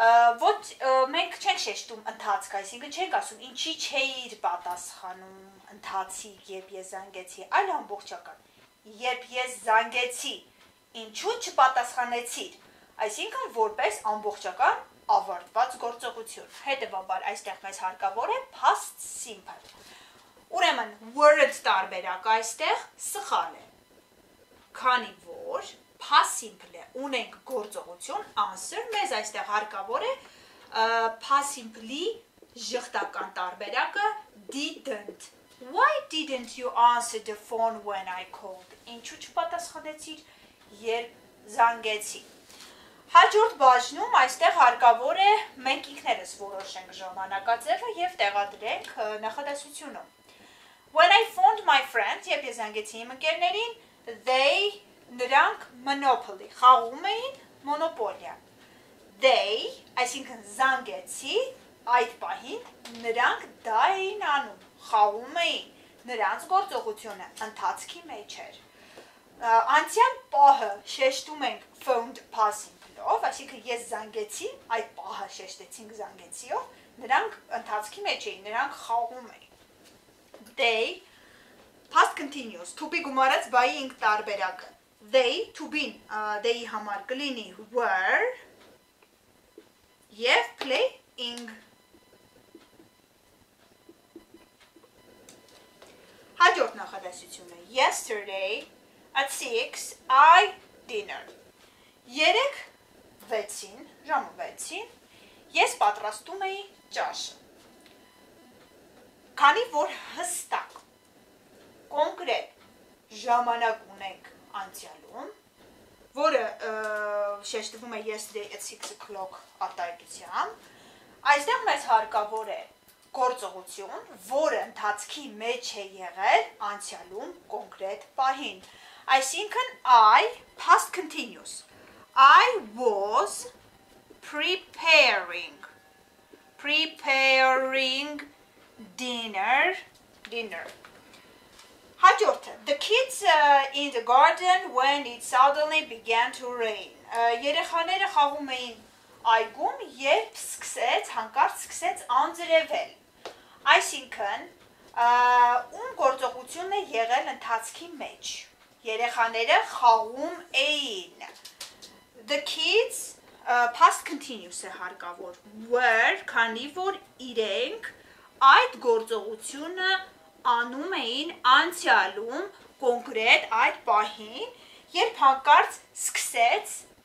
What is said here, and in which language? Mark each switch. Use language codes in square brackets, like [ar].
[hy] Ոչ մենք չենք շեշտում ընթացք, այսինքն չենք ասում ինչի չէիր պատասխանում ընթացի, երբ ես զանգեցի, այլ ամբողջական, երբ ես զանգեցի, ինչու չպատասխանեցիր, այսինքն որպես ամբողջական ավարտված գործողություն, հետևաբար այստեղ մեզ հարկավոր է past simple, ուրեմն word տարբերակ այստեղ սխալ է, քանի որ past simple է, ունենք գործողություն, answer, մեզ այստեղ հարկավոր է past simple-ի ժխտական տարբերակը didn't. [en] Why didn't you answer the phone when I called? [hy] Ինչու չպատասխանեցիր, երբ զանգեցի? Հաջորդ բաժնում այստեղ հարկավոր է մենք ինքներս որոշենք ժամանակաձևը եւ տեղադրենք նախադասությունը. [en] When I phoned my friends, [hy] եթե ես զանգեցի իմ ընկերներին, they նրանք monopoly, խաղում էին մոնոպոլիա. They, այսինքն զանգեցի այդ պահին, նրանք դա էին անում, խաղում էին, նրանց գործողությունը ընթացքի մեջ էր. Անցյալ պահը շեշտում ենք phoned past. Ով, այսինքն ես զանգեցի, այդ պահը շեշտեցինք զանգեցի, ով, նրանք ընթացքի մեջ էին, նրանք խաղում էին. [en] They, past continuous, to be [hy] գումարած բայի ինք տարբերակը. [en] They, to be, they-ի [hy] համար կլինի [en] were, եւ playing. [hy] Հաջորդ նախադասությունը, [en] yesterday, at 6, I dinner. [hy] Երեք վեցին, ժամը վեցին, ես պատրաստում էի ճաշը, քանի որ հստակ, կոնկրետ ժամանակ ունենք անցյալում, որը շեշտվում է [en] yesterday at 6 o'clock [hy] արտահայտությամբ, այստեղ մեզ հարկավոր է գործողություն, որը ընթացքի մեջ է եղել անցյալում կոնկրետ պահին, այսինքն I past continuous. [en] I was preparing, preparing dinner, dinner. [hy] Հաջորդը, [en] the kids in the garden when it suddenly began to rain. [hy] Երեխաները խաղում էին այգում, երբ սկսեց, հանկարծ սկսեց անձրևել. Այսինքն, ում գործողությունը եղել ընթացքի մեջ. Երեխաները խաղում էին. [en] The kids [hy] past continuous-ը հարկավոր, were, քանի որ իրենք այդ գործողությունը անում էին անցյալում կոնկրետ այդ պահին, երբ հանկարծ սկսեց